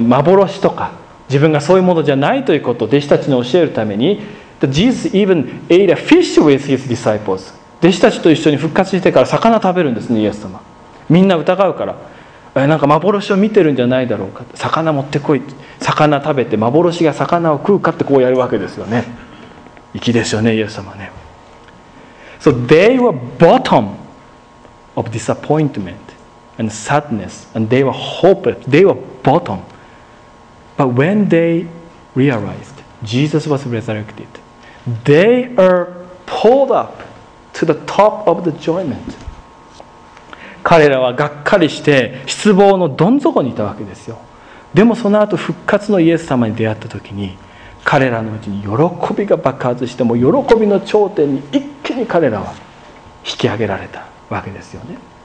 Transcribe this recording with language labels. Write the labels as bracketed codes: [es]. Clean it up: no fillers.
[ja] 幻とか自分がそういうものじゃないということを弟子たちに教えるために、 [en] that Jesus even ate a fish with his disciples. [ja] 弟子たちと一緒に復活してから魚食べるんですね、イエス様。みんな疑うから、なんか幻を見てるんじゃないだろうか、魚持ってこい、魚食べて幻が魚を食うかってこうやるわけですよね。粋ですよね、イエス様ね。 [en] So they were bottom of disappointment and sadness and they were hopeless. They were bottom. But when they realized Jesus was resurrected, they are pulled up to the top of the joyment. [ja] 彼らはがっかりして失望のどん底にいたわけですよ。でもその後復活のイエス様に出会った時に、彼らのうちに喜びが爆発して、もう喜びの頂点に一気に彼らは引き上げられたわけですよね。